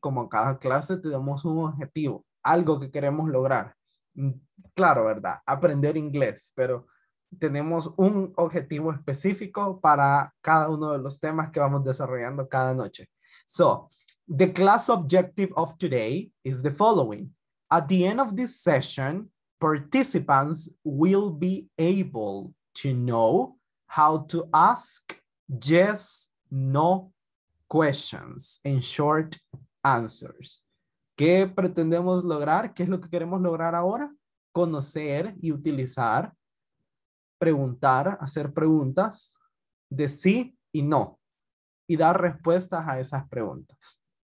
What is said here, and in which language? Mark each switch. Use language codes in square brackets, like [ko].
[es] Como cada clase tenemos un objetivo, algo que queremos lograr. Claro, ¿verdad? Aprender inglés, pero tenemos un objetivo específico para cada uno de los temas que vamos desarrollando cada noche. [en] So, the class objective of today is the following. At the end of this session, participants will be able to know how to ask yes, no questions and short answers. [es] ¿Qué pretendemos lograr? ¿Qué es lo que queremos lograr ahora? Conocer y utilizar, preguntar, hacer preguntas de sí y no, y dar respuestas a esas preguntas.